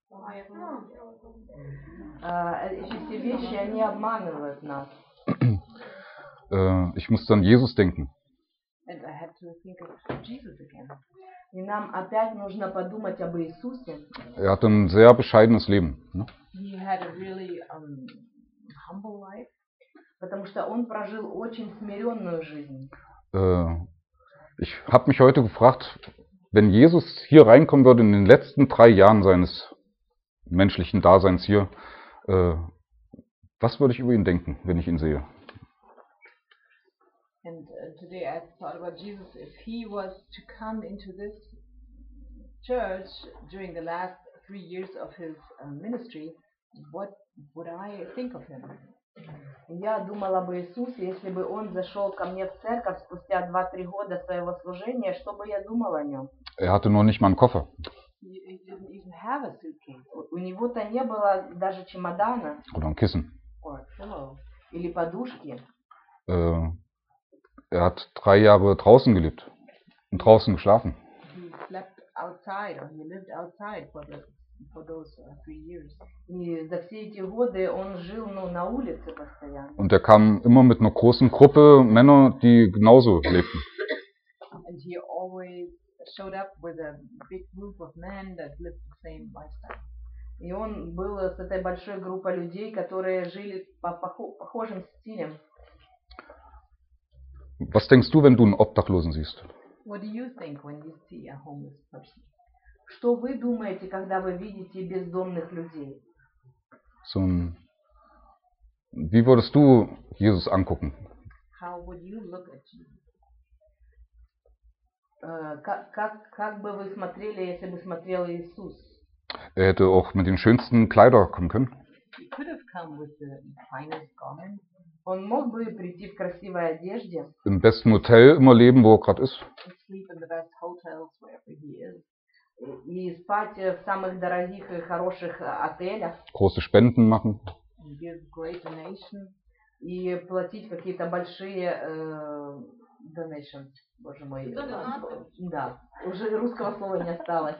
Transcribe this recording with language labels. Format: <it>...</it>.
<ru>Эти вещи, они обманывают нас.</ru> <de>Ich muss an Jesus denken.</de> <en>And I had to think of Jesus again.</en> <ru>И нам опять нужно подумать об Иисусе.</ru> <de>Er hat ein sehr bescheidenes Leben.</de> <en>He had a really humble life.</en> <ru>Потому что он прожил очень смиренную жизнь.</ru> <de>Ich habe mich heute gefragt, wenn Jesus hier reinkommen würde in den letzten 3 Jahren seines menschlichen Daseins hier, was würde ich über ihn denken, wenn ich ihn sehe?</de> <en>And today I thought about Jesus, if he was to come into this church during the last 3 years of his ministry, what would I think of him?</en> <ru>Я думала об Иисусе, если бы он зашел ко мне в церковь спустя 2-3 года своего служения, что бы я думала о нем?</ru> <de>Er hatte noch nicht mal einen Koffer.</de> <en>He didn't even have a suitcase.</en> <ru>У него-то не было даже чемодана.</ru> <de>Oder ein Kissen.</de> <en>Or a pillow.</en> <ru>Или подушки.</ru> <de>Er hat 3 Jahre draußen gelebt und draußen geschlafen.</de> <en>He slept outside or he lived outside for the for those 3 years.</en> <ru>И за все эти годы он жил, ну, на улице постоянно.</ru> <de>Und kam immer mit einer großen Gruppe Männer, die genauso lebten.</de> <en>And he always showed up with a big group of men that lived the same lifestyle.</en> <ru>И он был с этой большой группой людей, которые жили по похожим стилям.</ru> <de>Was denkst du, wenn du einen Obdachlosen siehst?</de> <en>What do you think when you see a homeless person?</en> <ru>Что вы думаете, когда вы видите бездомных людей?</ru> <de>So, wie würdest du Jesus angucken?</de> <en>How would you look at Jesus?</en> <ru>Как бы вы смотрели, если бы смотрел Иисус?</ru> <de>Er hätte auch mit den schönsten Kleidern kommen können.</de> <en>He could have come with the finest garments.</en> <ru>Он мог бы прийти в красивой одежде.</ru> <de>Im besten Hotel immer leben, wo er gerade ist.</de> <en>And sleep in the best hotels wherever he is.</en> <ru>И спать в самых дорогих и хороших отелях.</ru> <de>Große Spenden machen.</de> <en>And give great donations.</en> <ru>И платить какие-то большие donations. Боже мой. Да. Уже русского слова не осталось.</ru>